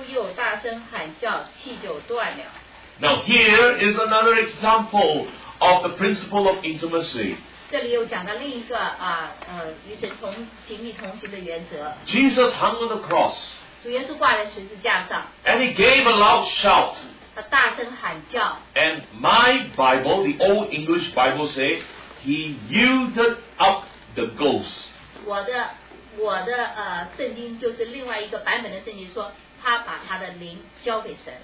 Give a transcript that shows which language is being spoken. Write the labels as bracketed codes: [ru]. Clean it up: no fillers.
[zh] 50节,耶稣又大声喊叫,气就断了。 [en] Now here is another example of the principle of intimacy. [zh] 这里又讲到另一个,与神同,紧密同行的原则。 [en] Jesus hung on the cross. [zh] 主耶稣挂在十字架上。 [en] And he gave a loud shout. And my Bible, the Old English Bible says, he yielded up the ghost. [zh] 我的圣经就是另外一个版本的圣经说，他把他的灵交给神。